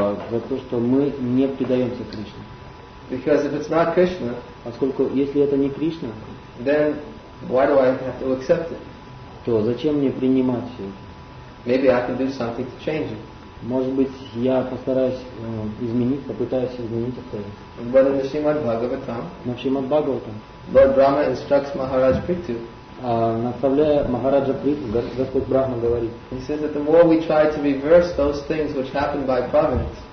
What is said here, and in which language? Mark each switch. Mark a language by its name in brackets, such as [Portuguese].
[Russian] За то, что мы не предаемся Кришне. [English] Because if it's not Krishna, [Russian] поскольку если это не Кришна, [English] then why do I have to accept it? [Russian] То зачем мне принимать все? [English] Maybe I can do something to change it. [Russian] Может быть, я постараюсь изменить, попытаюсь изменить это. [English] But in the Srimad Bhagavatam, [Russian] на Шримад Бхагаватам, [English] Lord Brahma instructs Maharaj Prithu. [Russian] Наставляя Махараджа Притху, Господь Брахма говорит. [English] He says that the more we try to reverse those things which happen by providence.